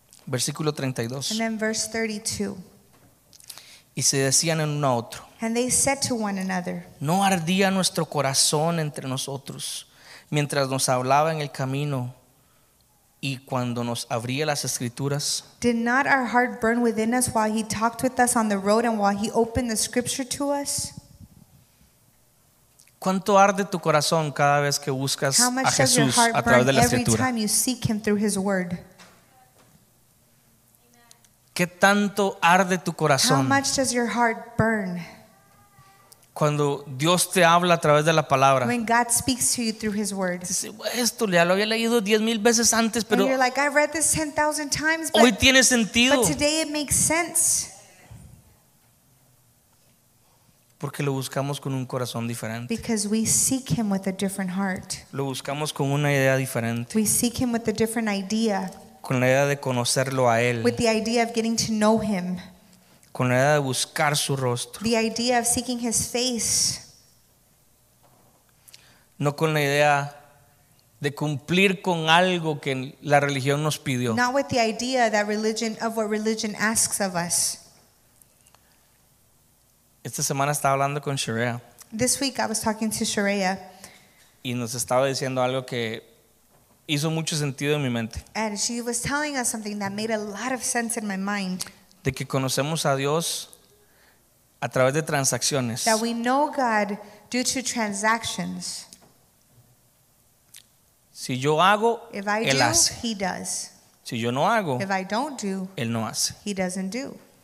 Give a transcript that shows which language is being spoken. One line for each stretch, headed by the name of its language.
Spanish: Versículo 32.
English: And then verse 32.
Spanish: Y se decían en uno a otro.
English: And they said to one another.
Spanish: No ardía nuestro corazón entre nosotros mientras nos hablaba en el camino y cuando nos abría las escrituras.
English: Did not our heart burn within us while he talked with us on the road and while he opened the scripture to us?
Spanish: ¿Cuánto arde tu corazón cada vez que buscas a Jesús a través de la escritura?
English: Every time you seek him through his word.
Spanish: ¿Qué tanto arde tu corazón?
English: How much does your heart burn?
Spanish: Cuando Dios te habla a través de la palabra.
English: When God speaks to you through his word.
Spanish: Esto ya lo había leído 10,000 veces antes, pero
English: you're like, I've read this 10,000 times, but
Spanish: hoy tiene sentido.
English: But today it makes sense.
Spanish: Porque lo buscamos con un corazón diferente.
English: Because we seek him with a different heart.
Spanish: Lo buscamos con una idea diferente.
English: We seek him with a different idea.
Spanish: Con la idea de conocerlo a él.
English: With the idea of getting to know him.
Spanish: Con la idea de buscar su rostro.
English: The idea of seeking his face.
Spanish: No con la idea de cumplir con algo que la religión nos pidió.
English: Not with the idea that religion of what religion asks of us.
Spanish: Esta semana estaba hablando con Sherea.
English: This week I was talking to Sherea.
Spanish: Y nos estaba diciendo algo que hizo mucho sentido en mi mente.
English: And she was telling us something that made a lot of sense in my mind.
Spanish: De que conocemos a Dios a través de transacciones.
English: That we know God due to transactions.
Spanish: Si yo hago,
English: if I
Spanish: él
English: do,
Spanish: hace.
English: He does.
Spanish: Si yo no hago,
English: if I don't do,
Spanish: él no hace.
English: He doesn't do.